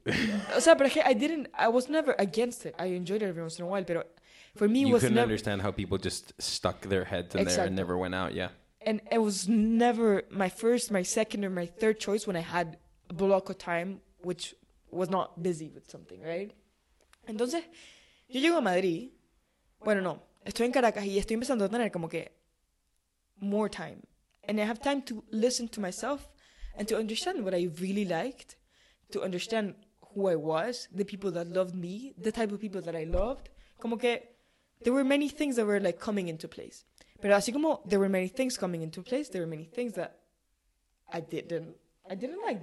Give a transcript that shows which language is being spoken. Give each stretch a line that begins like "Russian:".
English: I was never against it. I enjoyed it every once in a while, but for me, understand how people just stuck their heads in there and never went out. Yeah. And it was never my first, my second, or my third choice when I had a block of time, which was not busy with something, right?
Spanish: Entonces, yo llego a Madrid. Bueno, no. Estoy en Caracas y estoy empezando a tener como que
English: more time. And I have time to listen to myself and to understand what I really liked, to understand who I was, the people that loved me, the type of people that I loved.
Spanish: Como que
English: there were many things that were like coming into place.
Spanish: Pero así como
English: there were many things coming into place, there were many things that I didn't like.